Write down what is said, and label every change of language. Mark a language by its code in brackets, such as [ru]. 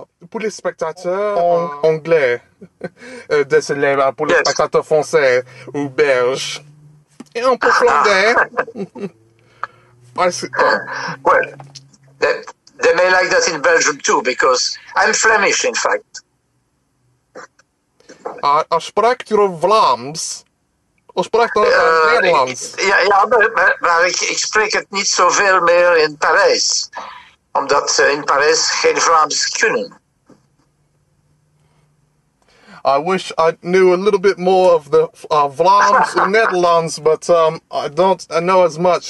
[fr] Pour les spectateurs anglais, désolé, pour les spectateurs français ou belges, et un peu flandais. [en] Well, they may like that in Belgium too, because I'm Flemish, in fact. [nl] Spreekt u Vlaams? Of spreekt u Nederlands? Ja, maar ik spreek het niet zoveel meer in Parijs. Omdat ze in Parijs geen Vlaams kunnen. [en] I wish I knew a little bit more of the Vlaams in Netherlands, but I don't know as much.